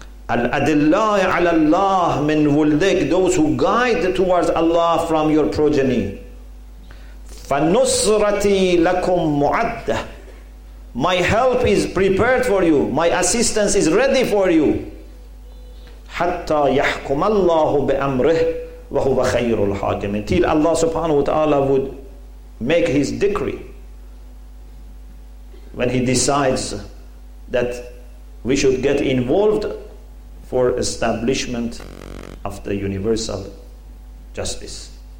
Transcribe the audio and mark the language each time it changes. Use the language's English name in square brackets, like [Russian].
[Arabic] الأدلاء على الله من ولدك. [English] Those who guide towards Allah from your progeny. [Arabic] فنصرتي لكم معدة. [English] My help is prepared for you. My assistance is ready for you. [Arabic] حتى يحكم الله بأمره وهو خير الحاكم. [English] Until Allah subhanahu wa ta'ala would make his decree, when he decides that we should get involved for establishment of the universal justice.